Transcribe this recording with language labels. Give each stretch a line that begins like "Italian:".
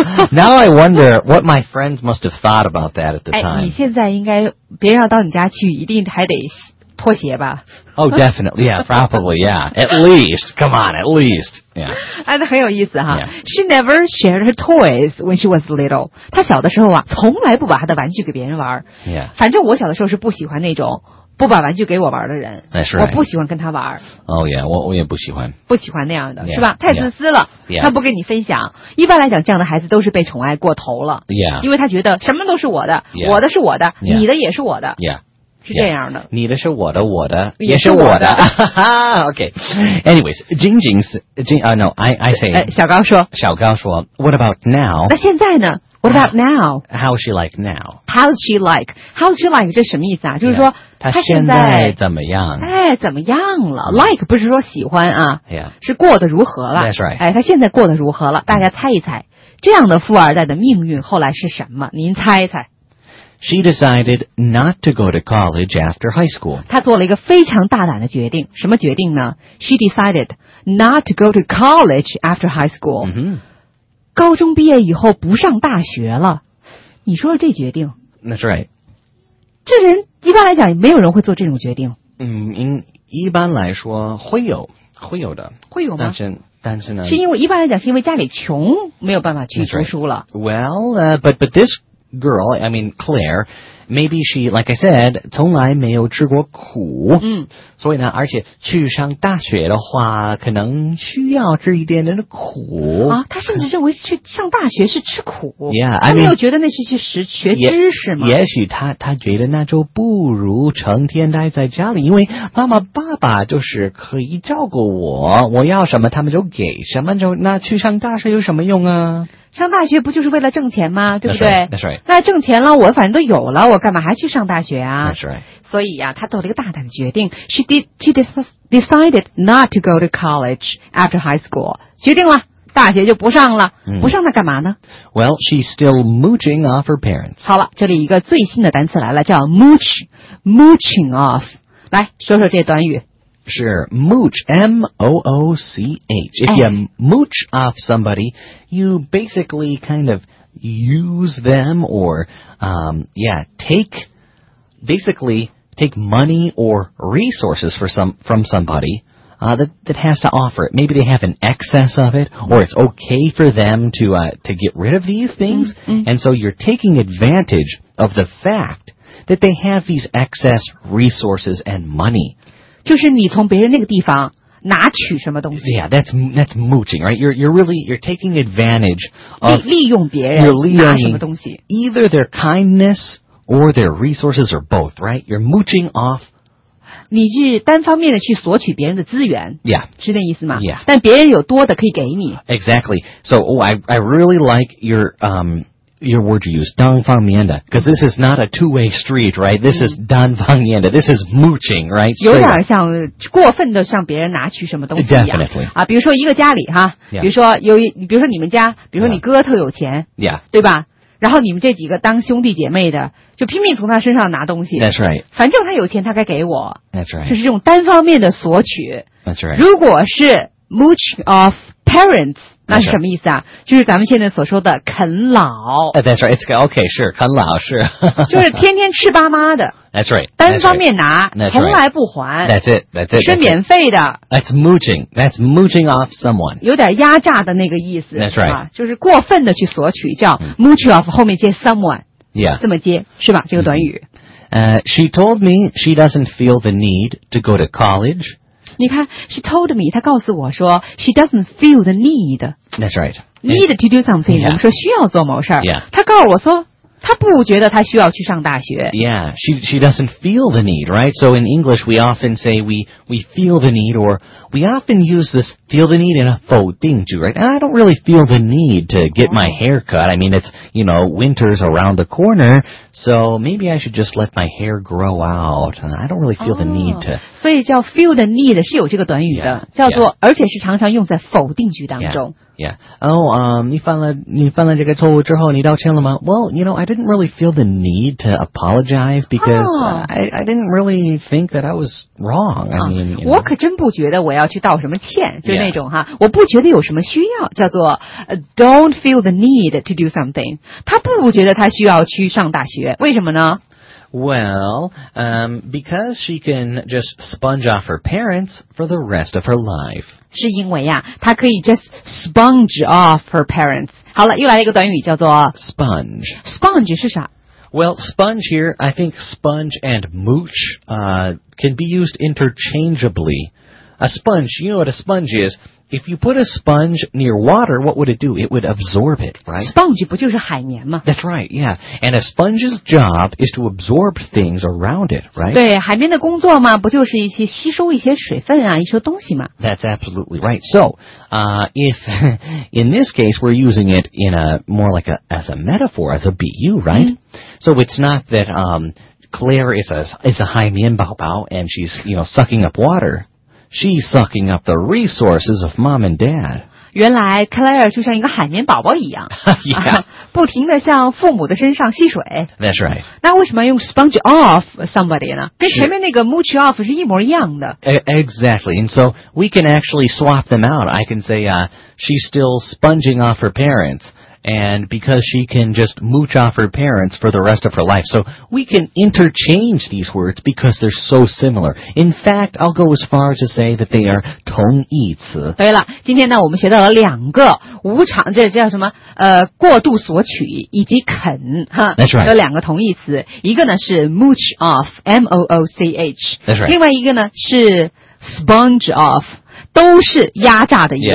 English: Now I wonder what my friends must have thought about that at the time.
Chinese: 哎，你现在应该别人要到你家去，一定还得脱鞋吧
English: ？Oh, definitely, yeah, probably, yeah. At least, come on, at least, yeah.
Chinese: 哎，那很有意思哈。
English: Yeah. She never shared her toys when she was little.
Chinese: 她小的时候啊，从来不把她的玩具给别人玩。
English: Yeah.
Chinese: 反正我小的时候是不喜欢那种。不把玩具给我玩的人
English: That's right.
Chinese: 我不喜欢跟他玩。
English: Oh yeah,
Chinese: 我也不喜欢。不喜欢那样的
English: yeah,
Chinese: 是吧太自私了
English: yeah, yeah.
Chinese: 他不跟你分享。一般来讲这样的孩子都是被宠爱过头了。
English: Yeah.
Chinese: 因为他觉得什么都是我的、
English: yeah.
Chinese: 我的是我的、
English: yeah.
Chinese: 你的也是我的。
English: Yeah.
Chinese: 是这样的。
English: Yeah.
Chinese: 你的是我的我的也是我的。
English: okay. Anyways, Jingjing, I say,
Chinese: 小高说。小高说
English: ,what about now?
Chinese: 那现在呢
English: ?what about now? How's she like now? How's she like?
Chinese: 这什么意思啊就是说、
English: yeah.
Chinese: 他现在怎么样？哎，怎么样了 ？Like 不是说喜欢啊，
English: yeah.
Chinese: 是过得如何了
English: ？That's right.
Chinese: 哎，他现在过得如何了？大家猜一猜，这样的富二代的命运后来是什么？您猜一猜。
English: She decided not to go to college after high school.
Chinese: 她做了一个非常大胆的决定。什么决定呢？
English: She decided not to go to college after high school.、 Mm-hmm.
Chinese: 高中毕业以后不上大学了。你说说这决定。
English: That's right.
Chinese: 这人一般来讲没有人会做这种决定。嗯，一般来说会有，会有的。会有吗？但是呢，是因为一般来讲是因为家里穷没有办法去读书了。
English: Right. Well, but this girl, I mean Claire, maybe she, like I said,
Chinese: 从来没有吃过苦。嗯，所以呢，而且去上大学的话可能需要吃一点点的苦。啊，她甚至认为去上大学是吃苦。
English: Yeah, I
Chinese: mean, 她没有觉得那是去学知识吗？也许她觉得那就不如成天待在家里，因为妈妈爸爸就是可以照顾我，我要什么他们就给什么，就那去上大学有什么用啊？上大学不就是为了挣钱吗？对不对？
English: That's right.
Chinese: 那挣钱了，我反正都有了，我干嘛还去上大学啊？
English: That's right.
Chinese: 所以啊，她做了一个大胆的决定。
English: She decided not to go to college after high school.
Chinese: 决定了，大学就不上了。不上那干嘛呢？
English: Well, she's still mooching off her parents.
Chinese: 好了，这里一个最新的单词来了，叫 mooch, mooching off. 来说说这短语。
English: Sure, mooch, M-O-O-C-H. If you mooch off somebody, you basically kind of use them or, take money or resources from somebody, that has to offer it. Maybe they have an excess of it, or it's okay for them to get rid of these things. Mm-hmm. And so you're taking advantage of the fact that they have these excess resources and money.
Chinese: 就是你从别人那个地方拿取什么东西。
English: Yeah, that's mooching, right? You're taking advantage of
Chinese: 利用别人
English: you're 利用
Chinese: 拿什么东西。
English: Either their kindness or their resources or both, right? You're mooching off.
Chinese: 你是单方面的去索取别人的资源。
English: Yeah.
Chinese: 是那意思吗？
English: Yeah.
Chinese: 但别人有多的可以给你。
English: Exactly. So, I really like your word you use,
Chinese: 单方面的,
English: because this is not a two-way street, right? This is
Chinese: 单方面的,
English: this is mooching, right?
Chinese: 有点像过分的向别人拿取什么东西一样。
English: Definitely.
Chinese: 啊，比如说一个家里哈，比如说有，比如说你们家，比如说你哥特有钱，对吧？然后你们这几个当兄弟姐妹的，就拼命从他身上拿东西。
English: That's right.
Chinese: 反正他有钱，他该给我。
English: That's right.
Chinese: 就是用单方面的索取。
English: That's right.
Chinese: 如果是 mooch off parents,那是什么意思啊？就是咱们现在所说的啃老。
English: That's right. It's okay.
Chinese: 是啃老是。就是天天吃爸妈的。
English: That's right.
Chinese: 单方面拿，
English: right.
Chinese: 从来不还。
English: That's it.
Chinese: 是免费的。
English: That's mooching. That's mooching off someone.
Chinese: 有点压榨的那个意思。
English: That's right.
Chinese: 就是过分的去索取，叫 mooch off 后面接 someone。
English: Yeah.
Chinese: 这么接是吧？这个短语。
English: She told me she doesn't feel the need to go to college.
Chinese: 你看
English: she told me,
Chinese: 她告诉我说
English: she doesn't feel the need. That's right. Need to do something,
Chinese: 我们说需要做某事儿。
English: Yeah. 她告诉我说她不觉得她需要去上大学。 Yeah, she doesn't feel the need, right? So in English, we often say we feel the need, or we often use this feel the need in a 否定句, right? I don't really feel the need to get my hair cut. I mean, it's, you know, winter's around the corner, so maybe I should just let my hair grow out. I don't really feel the need to.
Chinese: 所以叫
English: feel the need
Chinese: 是有这个短语的叫做而且是常常用在否定句当中。
English: Yeah.
Chinese: Oh, 你犯了这个错误之后你道歉了吗?
English: Well, you know, I didn't really feel the need to apologize because I didn't really think that I was wrong. I mean, you know.
Chinese: 我可真不觉得我要去道什么歉就那种哈我不觉得有什么需要叫做
English: don't feel the need to do something.
Chinese: 他不觉得他需要去上大学为什么呢?
English: Well, because she can just sponge off her parents for the rest of her life.
Chinese: 是因为呀，他可以
English: just sponge off her parents.
Chinese: 好了，又来了一个短语叫做
English: sponge.
Chinese: Sponge 是啥？
English: Well, sponge here, I think sponge and mooch, can be used interchangeably. A sponge, you know what a sponge is? If you put a sponge near water, what would it do? It would absorb it, right?
Chinese: Sponge 不就是海绵吗？
English: That's right, yeah. And a sponge's job is to absorb things around it, right?
Chinese: 对，海绵的工作嘛，不就是一些吸收一些水分啊，一些东西嘛。
English: That's absolutely right. So, if in this case we're using it in a more like a as a metaphor, as a BU, right? Mm. So it's not that Claire is a 海绵宝宝 and she's, you know, sucking up water.She's sucking up the resources of mom and dad.
Chinese: 原来克莱尔就像一个海绵宝宝一样、
English: yeah.
Chinese: 啊、不停地向父母的身上吸水。
English: That's right.
Chinese: 那为什么用 sponge off somebody 呢？跟前面那个 mooch off 是一模一样的。
English: Exactly. And so we can actually swap them out. I can say、she's still sponging off her parents. And because she can just mooch off her parents for the rest of her life. So we can interchange these words because they're so similar. In fact, I'll go as far to say that they are 同义词。
Chinese: 对了，今天呢我们学到了两个无偿，这叫什么过度索取以及啃。
English: That's right.
Chinese: 有两个同义词。一个呢是 mooch off, M-O-O-C-H.
English: That's right.
Chinese: 另外一个呢是 sponge off. 都是压榨的意思、